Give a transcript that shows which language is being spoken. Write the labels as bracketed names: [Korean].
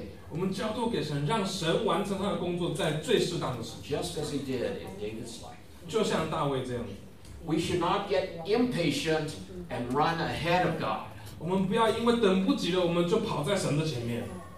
[Chinese] 我们交托给神，让神完成他的工作，在最适当的时候。 [English] Just as he did in David's life. [Chinese] 就像大卫这样。 [English] We should not get impatient and run ahead of God. [Chinese] 我们不要因为等不及了，我们就跑在神的前面。